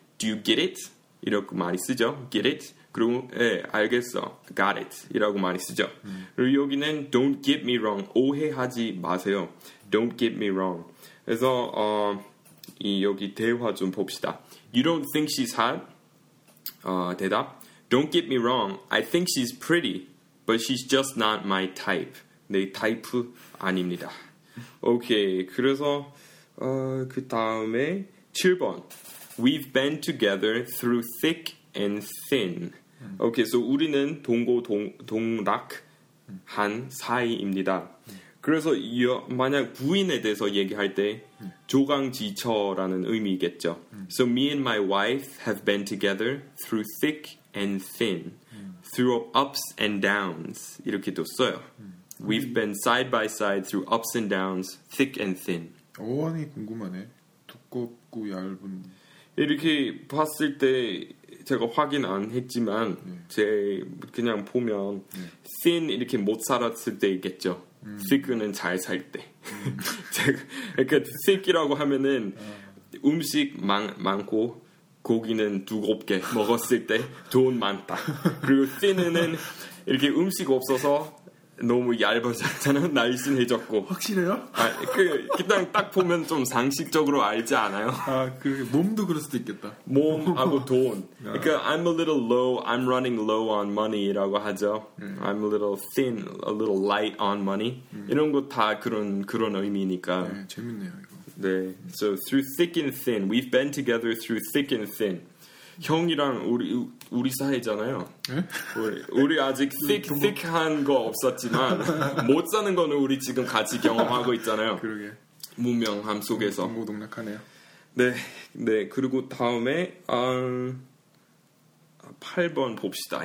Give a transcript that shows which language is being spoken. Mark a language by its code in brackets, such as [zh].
[en] Do you get it? [ko] 이렇게 많이 쓰죠. [en] Get it? [ko] 그리고 예, 알겠어. [en] Got it. [ko] 이라고 많이 쓰죠. 그리고 여기는 [en] don't get me wrong. [ko] 오해하지 마세요. [en] Don't get me wrong. [ko] 그래서 이 여기 대화 좀 봅시다. [en] You don't think she's hot? [ko] 대답. [en] Don't get me wrong. I think she's pretty, but she's just not my type. [ko] 내 타입 아닙니다. Okay. 그래서 그 다음에 7번. [en] We've been together through thick and thin. Okay. [ko] So 우리는 동고동락한 사이입니다. 그래서 만약 부인에 대해서 얘기할 때 조강지처라는 의미겠죠. [en] So me and my wife have been together through thick and thin, through ups and downs. [ko] 이렇게도 써요. [en] We've been side by side through ups and downs, thick and thin. [ko] 어원이 궁금하네. 두껍고 얇은. 이렇게 봤을 때 제가 확인 안 했지만 제 그냥 보면 thin 이렇게 못 살았을 때겠죠. Thick는 잘 살 때. 그러니까 thick이라고 하면은 음식 많고 고기는 두껍게 먹었을 때 돈 많다. 그리고 thin은 이렇게 음식 없어서 너무 얇아졌잖아. 날씬해졌고. 확실해요? 아, 그냥 딱 보면 좀 상식적으로 알지 않아요? 아, 그 몸도 그럴 수도 있겠다. 몸하고 돈. 그러니까 [en] I'm a little low, I'm running low on money [ko] 라고 하죠. [en] I'm a little thin, a little light on money. [ko] 이런 거 다 그런 의미니까. 네, 재밌네요, 이거. 네. [en] So through thick and thin, we've been together through thick and thin. [ko] 형이랑 우리 사이잖아요. 네? 우리 아직 thick한 거 없었지만 못 사는 거는 우리 지금 같이 경험하고 있잖아요. 그러게. 무명함 속에서. 동고동락하네요. 네, 네. 그리고 다음에 8번 봅시다.